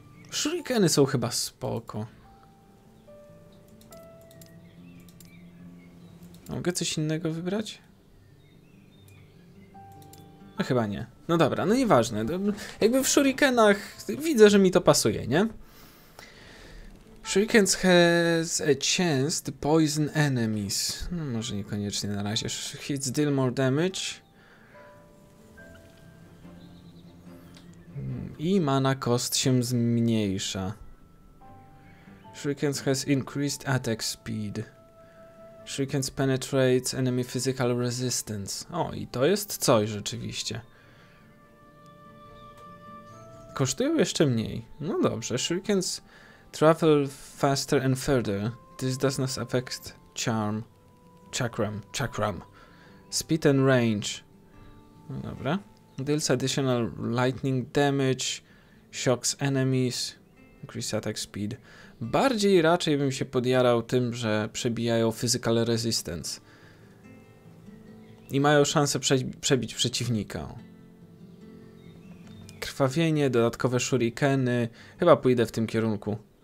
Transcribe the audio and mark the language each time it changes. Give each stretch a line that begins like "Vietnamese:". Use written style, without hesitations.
Polish: Shurikeny są chyba spoko. Mogę coś innego wybrać? No chyba nie. No dobra, no nieważne. Jakby w shurikenach widzę, że mi to pasuje, nie?
English: Shurikens has a chance to poison enemies.
Polish: No może niekoniecznie na razie.
English: Hits deal more damage.
Polish: I mana cost się zmniejsza.
English: Shurikens has increased attack speed. Shurikens penetrates enemy physical resistance.
Polish: O, i to jest coś rzeczywiście. Kosztują jeszcze mniej. No dobrze,
English: Shurikens... Travel faster and further. This does not affect charm. Chakram. Speed and range.
Polish: No dobra.
English: Deals additional lightning damage. Shocks enemies. Increase attack speed.
Polish: Bardziej raczej bym się podjarał tym, że przebijają physical resistance. I mają szansę przebić przeciwnika. Krwawienie, dodatkowe shurikeny. Chyba pójdę w tym kierunku.